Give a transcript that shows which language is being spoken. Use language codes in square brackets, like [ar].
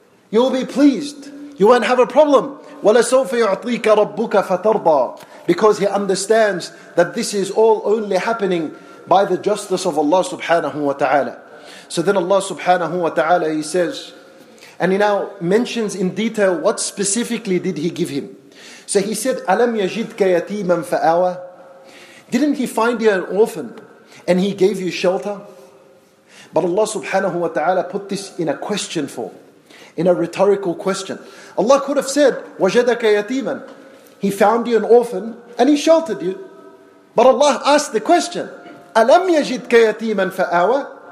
[en] You'll be pleased. You won't have a problem. [ar] وَلَسَوْفَ يُعْطِيكَ رَبُّكَ فَتَرْضَى. [en] Because he understands that this is all only happening by the justice of Allah subhanahu wa ta'ala. So then Allah subhanahu wa ta'ala, he says, and he now mentions in detail what specifically did he give him. So he said, [ar] أَلَمْ يَجِدْكَ يَتِيمًا فَآوَى. [en] Didn't he find you an orphan and he gave you shelter? But Allah subhanahu wa ta'ala put this in a question form, in a rhetorical question. Allah could have said, [ar] وَجَدَكَ يَتِيمًا. [en] He found you an orphan and he sheltered you. But Allah asked the question, [ar] أَلَمْ يَجِدْكَ يَتِيمًا فَآوَى.